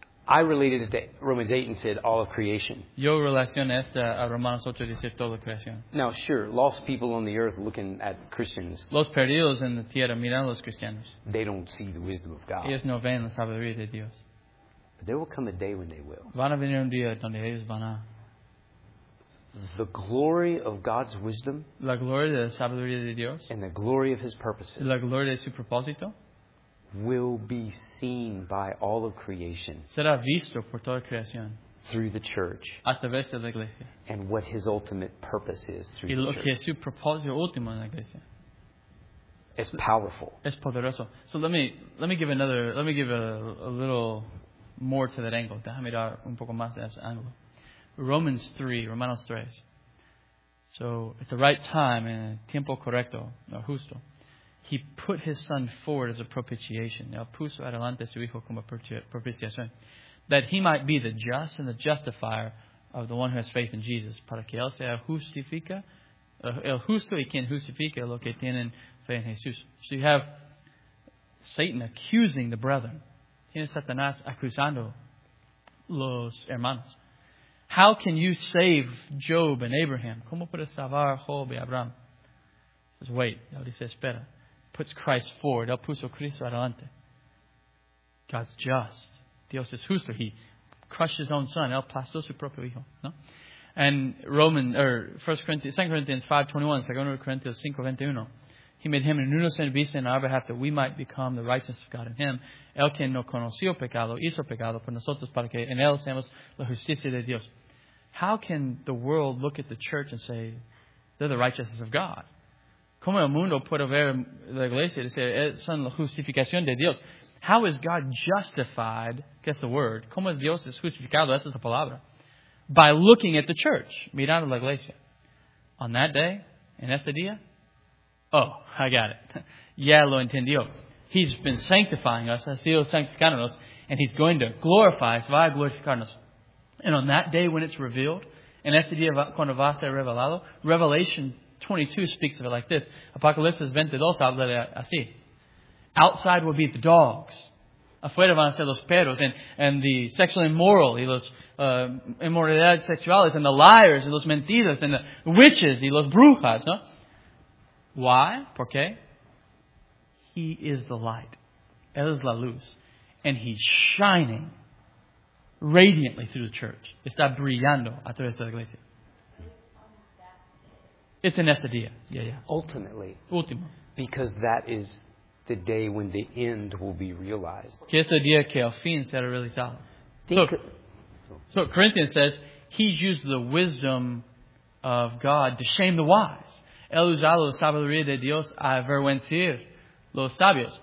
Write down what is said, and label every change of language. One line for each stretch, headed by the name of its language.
English: I related it to Romans 8 and said all of creation.
Spanish: Yo relaciono esto a Romanos 8 y decir toda la creación.
English: Now, sure, lost people on the earth looking at Christians.
Spanish: Los perdidos en la tierra mirando a los cristianos.
English: They don't see the wisdom of God.
Spanish: Ellos no ven la sabiduría de Dios.
English: But there will come a day when they will.
Spanish: Van a venir un día donde ellos van a
English: the glory of God's wisdom,
Spanish: la gloria de la sabiduría de Dios,
English: and the glory of His purposes,
Spanish: la gloria de su propósito,
English: will be seen by all of creation,
Spanish: será visto por toda creación,
English: through the church,
Spanish: a través de la iglesia,
English: and what His ultimate purpose is through
Spanish: y
English: the church.
Spanish: Y lo que es su propósito último en la iglesia.
English: It's powerful.
Spanish: Es poderoso.
English: So let me give a little more to that angle.
Spanish: Déjame dar un poco más de ese ángulo. Romanos 3.
English: So at the right time,
Spanish: en tiempo correcto, no justo,
English: He put His Son forward as a propitiation.
Spanish: Él puso adelante su Hijo como propiciación.
English: That He might be the just and the justifier of the one who has faith in Jesus.
Spanish: Para que Él sea justifica, el justo y quien justifica lo que tienen fe en Jesús.
English: So you have Satan accusing the brethren.
Spanish: Tiene Satanás acusando los hermanos.
English: How can you save Job and Abraham?
Spanish: ¿Cómo puedes salvar Job y Abraham?
English: He says, wait.
Spanish: Él dice, espera.
English: Puts Christ forward.
Spanish: Él puso Cristo adelante.
English: God's just.
Spanish: Dios es justo.
English: He crushed His own Son.
Spanish: Él aplastó su propio Hijo.
English: ¿No? And Second Corinthians 5:21, Second Corinthians 5:21. He made Him an innocent beast in our behalf that we might become the righteousness of God in Him.
Spanish: El quien no conoció pecado, hizo pecado por nosotros para que en él seamos la justicia de Dios.
English: How can the world look at the church and say, they're the righteousness of God?
Spanish: ¿Cómo el mundo puede ver la iglesia y decir, son la justificación de Dios?
English: How is God justified? Guess the word.
Spanish: ¿Cómo es Dios es justificado? Esa es la palabra.
English: By looking at the church,
Spanish: mirando la iglesia.
English: On that day,
Spanish: en ese día,
English: oh, I got it. Yeah,
Spanish: lo entendió.
English: He's been sanctifying us,
Spanish: ha sido sanctificándonos,
English: and He's going to glorify us,
Spanish: va a glorificarnos.
English: And on that day when it's revealed,
Spanish: en ese día cuando va a ser revelado,
English: Revelation 22 speaks of it like this.
Spanish: Apocalipsis 22 habla de así.
English: Outside will be the dogs.
Spanish: Afuera van a ser los perros
English: and the sexual immoral
Spanish: y los inmoralidades sexuales
English: and the liars
Spanish: y los mentiras
English: and the witches
Spanish: y los brujas, ¿no?
English: Why?
Spanish: ¿Por qué?
English: He is the light.
Spanish: Él es la luz.
English: And He's shining radiantly through the church.
Spanish: Está brillando a través de la iglesia.
English: It's in
Spanish: ese día.
English: Yeah, yeah. Ultimately.
Spanish: Último.
English: Because that is the day when the end will be realized.
Spanish: Que es el día que el fin será realizado.
English: So Corinthians says, He's used the wisdom of God to shame the wise.
Spanish: El usado la sabiduría de Dios a avergüenzar los sabios.